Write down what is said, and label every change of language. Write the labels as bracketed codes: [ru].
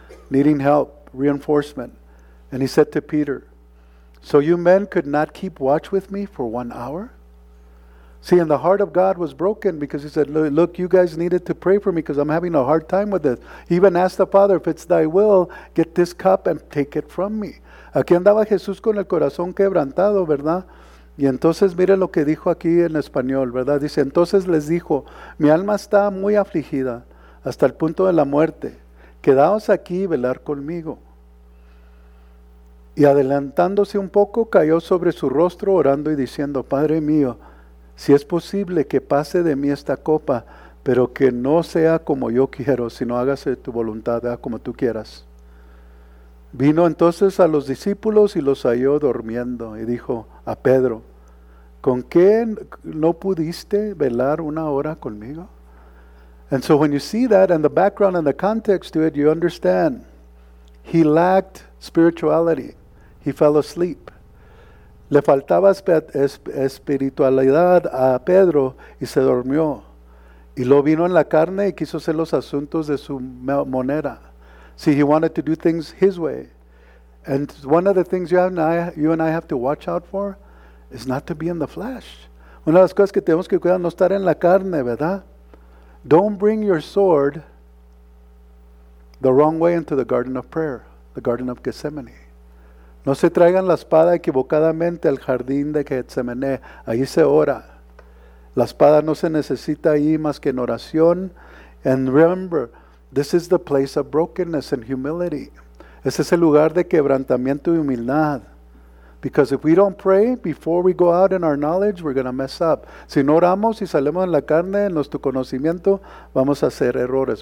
[en] Needing help, reinforcement. And he said to Peter, so you men could not keep watch with me for 1 hour? See, and the heart of God was broken because he said, look, you guys needed to pray for me because I'm having a hard time with this. He even asked the Father, if it's thy will, get this cup and take it from me. [es] Aquí andaba Jesús con el corazón quebrantado, ¿verdad? Y entonces mire lo que dijo aquí en español, ¿verdad? Dice, entonces les dijo, mi alma está muy afligida hasta el punto de la muerte. quedaos aquí y velar conmigo. Y adelantándose un poco, cayó sobre su rostro orando y diciendo, Padre mío, si es posible que pase de mí esta copa, pero que no sea como yo quiero, sino hágase tu voluntad, ¿verdad? Como tú quieras. Vino entonces a los discípulos y los halló durmiendo y dijo a Pedro, ¿con qué no pudiste velar una hora conmigo? [en] And so when you see that and the background and the context to it, you understand. He lacked spirituality. He fell asleep. [es] Le faltaba espiritualidad a Pedro y se durmió. Y lo vino en la carne y quiso hacer los asuntos de su manera. [en] See, he wanted to do things his way. And one of the things you and I have to watch out for is not to be in the flesh. [es] Una de las cosas que tenemos que cuidar no estar en la carne, ¿verdad? [en] Don't bring your sword the wrong way into the garden of prayer, the garden of Gethsemane. [es] No se traigan la espada equivocadamente al jardín de Getsemaní. Ahí se ora. La espada no se necesita ahí más que en oración. [en] And remember, this is the place of brokenness and humility. [es] Ese es el lugar de quebrantamiento y humildad. [en] Because if we don't pray before we go out in our knowledge, we're going to mess up. [es] Si no oramos y salimos en la carne, en nuestro conocimiento, vamos a hacer errores.